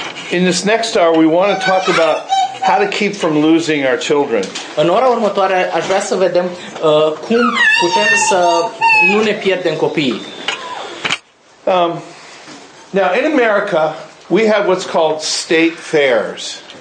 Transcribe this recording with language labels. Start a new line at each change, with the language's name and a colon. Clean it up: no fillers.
English: In this next hour, we want to talk about how to keep from losing our children.
Romanian: În ora următoare, aș vrea să vedem cum putem să nu ne pierdem copiii.
English: Now, in America, we have what's called state fairs.